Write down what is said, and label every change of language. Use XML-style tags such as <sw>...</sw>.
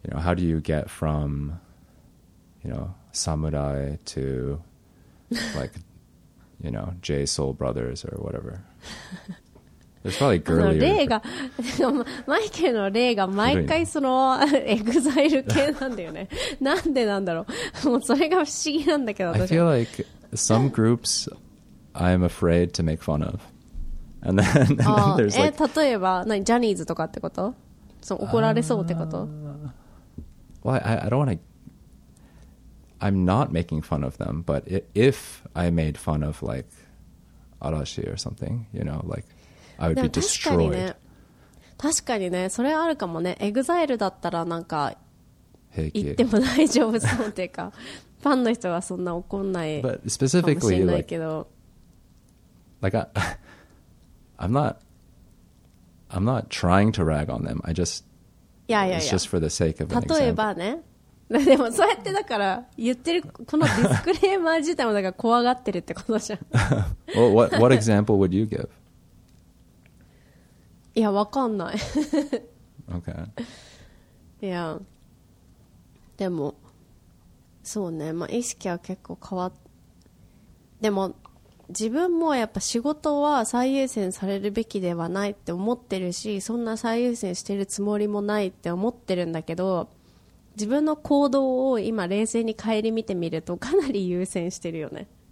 <en>You know, how do you get from, you know, samurai to like, you know, J Soul Brothers or whatever. It's probably girlier.</en> <ja>例が、マイケルの例が毎回そのエグザイル系なんだよね。なんでなんだろう。もうそれが不思議なんだけど。</ja> <en>I feel like some groups I am afraid to make fun of. And then there's like...</en> <ja>例えば、何、ジャニーズとかってこと？その怒られそうってこと？</ja> <en>Well, I don't want to... I'm not making fun of them, but if I made fun of like Arashi or something, you know, like... I would be destroyed.</en> <ja>確かにね、確かにね、それあるかもね。エグザイルだったらなんか平気言っても大丈夫そうっていうか、ファンの人はそんな怒んないかもしれないけど。</ja> <en>Like I'm not trying to rag on them. I just yeah. It's just for the sake of an example.</en> <ja>例えばね。でもそうやってだから言ってるこのディスクレーマー自体もだから怖がってるってことじゃん。</ja> <en>Well, what example would you give?</en> <ja>いや、わかんない。</ja> <en>Okay.</en> <ja>いや、でも、そうね、まあ、意識は結構変わっ、でも、自分もやっぱ仕事は最優先されるべきではないって思ってるし、そんな最優先してるつもりもないって思ってるんだけど、自分の行動を今冷静に顧みてみるとかなり優先してるよね。</ja>